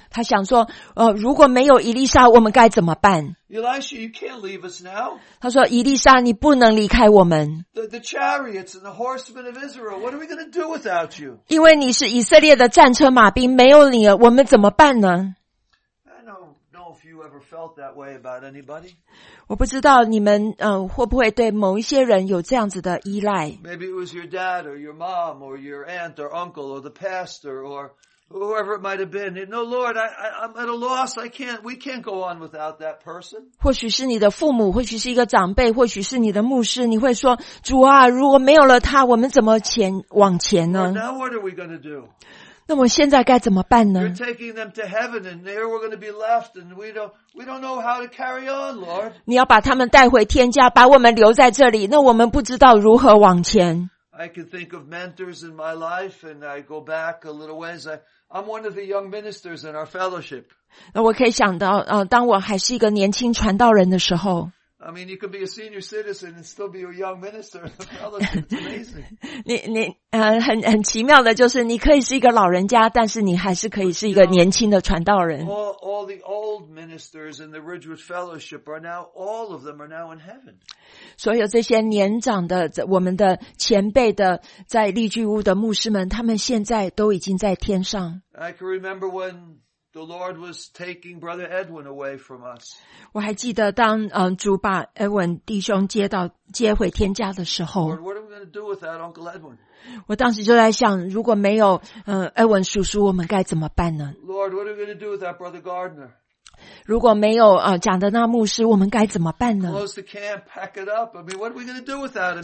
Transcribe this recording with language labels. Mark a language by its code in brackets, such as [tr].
[zh] 他想说，如果没有以利沙，我们该怎么办？ [en] Elisha, you can't leave us now. [zh] 他说，以利沙，你不能离开我们。 [en] The chariots and the horsemen of Israel, what are we going to do without you? [zh] 因为你是以色列的战车马兵，没有你，我们怎么办呢？ [en] I don't know if you ever felt that way about anybody. [zh] 我不知道你们会不会对某一些人有这样子的依赖。 [en] Maybe it was your dad or your mom or your aunt or uncle or the pastor or whoever it might have been. No, Lord, I'm at a loss. We can't go on without that person. [zh] 或许是你的父母，或许是一个长辈，或许是你的牧师，你会说，主啊，如果没有了他，我们怎么往前呢？ [en] Now what are we going to do? [zh] 那么现在该怎么办呢？ [en] You're taking them to heaven and there we're going to be left and we don't know how to carry on, Lord. [zh] 你要把他们带回天家，把我们留在这里，那我们不知道如何往前。 [en] I can think of mentors in my life and I go back a little ways. I'm one of the young ministers in our fellowship. [zh] 那我可以想到当我还是一个年轻传道人的时候。 [en] I mean, you could be a senior citizen and still be a young minister. Amazing. [zh] 很奇妙的就是你可以是一个老人家，但是你还是可以是一个年轻的传道人。 [en] All the old ministers in the Ridgewood Fellowship are now, all of them are now in heaven. [zh] 所有这些年长的我们的前辈的在利聚屋的牧师们，他们现在都已经在天上。 [en] I can remember when the Lord was taking Brother Edwin away from us. [zh] 我还记得当主把 Edwin 弟兄接回天家的时候。 [en] Lord, what are we going to do without Uncle Edwin? [zh] 我当时就在想，如果没有Edwin 叔叔，我们该怎么办呢？ [en] Lord, what are we going to do without Brother Gardner? [zh] 如果没有讲的那牧师，我们该怎么办呢？ [en] Close the camp, pack it up. I mean, what are we going to do without him?